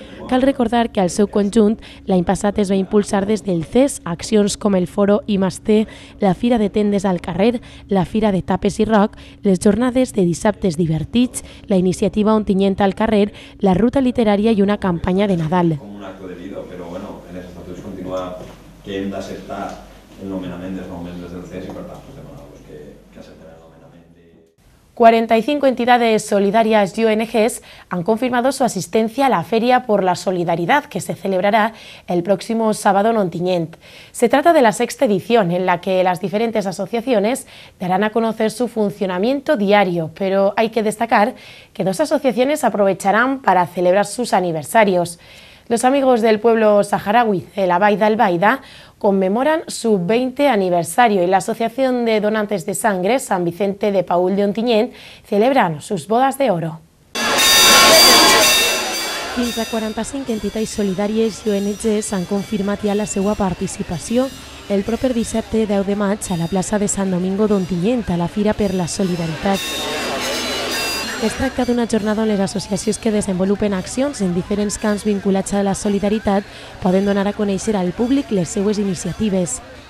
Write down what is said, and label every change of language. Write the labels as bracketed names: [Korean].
[Catalan] Cal recordar que al seu conjunt, l'any passat es va impulsar des del CES accions com el Foro I+T, la Fira de Tendes al Carrer, la Fira de Tapes i Rock, les jornades de dissabtes divertits, la iniciativa Ontinyent al Carrer, la ruta literària i una campanya de Nadal. Com un acte de vida, però bueno, en els estatuts continua que hem d'acceptar el nomenament dels nous membres del CES i per tant, pues, demanar-los que acceptin el nomenament. [Spanish] 45 entidades solidarias y ONGs han confirmado su asistencia a la Feria por la Solidaridad que se celebrará el próximo sábado en Ontinyent. Se trata de la sexta edición en la que las diferentes asociaciones darán a conocer su funcionamiento diario, pero hay que destacar que dos asociaciones aprovecharán para celebrar sus aniversarios. Los amigos del pueblo saharaui, el Abaida Albaida, conmemoran su 20 aniversario y la Asociación de Donantes de Sangre, San Vicente de Paúl de Ontinyent, celebran sus bodas de oro. [Catalan] Fins a 45 entitats solidàries i ONGs han confirmat ja la seva participació el proper dissabte 10 de maig a la plaça de Sant Domingo d'Ontinyent a la Fira per la Solidaritat. Es tracta d'una jornada on les associacions que desenvolupen accions en diferents camps vinculats a la solidaritat poden donar a conèixer al públic les seues iniciatives.